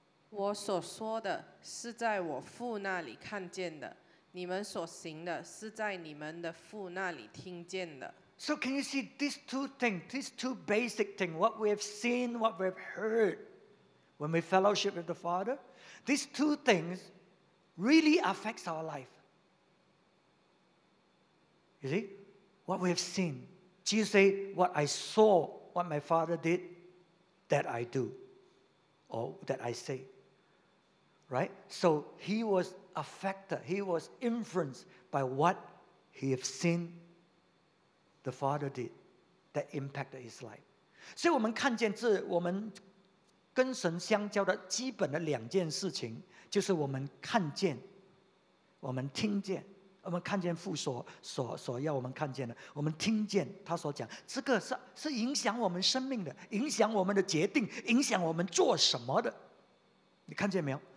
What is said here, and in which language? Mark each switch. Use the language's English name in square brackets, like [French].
[Chinese] 我所说的是在我父那里看见的，你们所行的是在你们的父那里听见的。 [English] So can you see these two things, these two basic things, what we have seen, what we have heard when we fellowship with the Father? These two things really affects our life. You see? What we have seen. Jesus said, what I saw, what my Father did, that I do, or that I say. Right? So he was affected, he was influenced by what he had seen the Father did that impacted his life. [Chinese] 所以我们看见这我们跟神相交的基本的两件事情，就是我们看见，我们听见，我们看见父所要我们看见的，我们听见他所讲，这个 是影响我们生命的，影响我们的决定，影响我们做什么的，你看见没有？